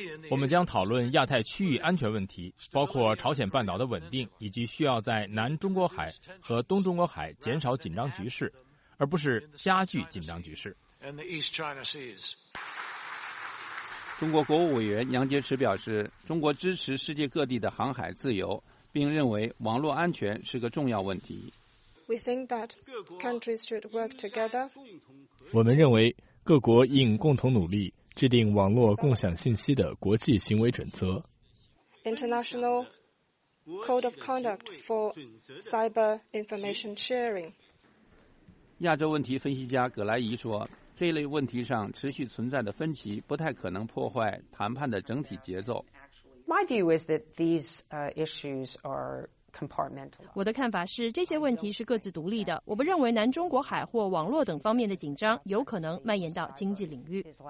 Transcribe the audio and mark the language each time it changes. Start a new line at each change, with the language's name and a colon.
Chinese: 我们将讨论亚太区域安全问题，包括朝鲜半岛的稳定，以及需要在南中国海和东中国海减少紧张局势，而不是加剧紧张局势。中国国务委员杨洁篪表示，中国支持世界各地的航海自由，并认为网络安全是个重要问题。
English: We think that countries should work together.
Chinese: 我们认为各国应共同努力制定网络共享信息的国际行为准则。
English: International Code of Conduct for Cyber Information Sharing.
Chinese: 亚洲问题分析家葛莱仪说，这类问题上持续存在的分歧不太可能破坏谈判的整体节奏。
English: My view is that these issues are...
Chinese: 我的看法是，这些问题是各自独立的。我不认为南中国海或网络等方面的紧张有可能蔓延到经济领域。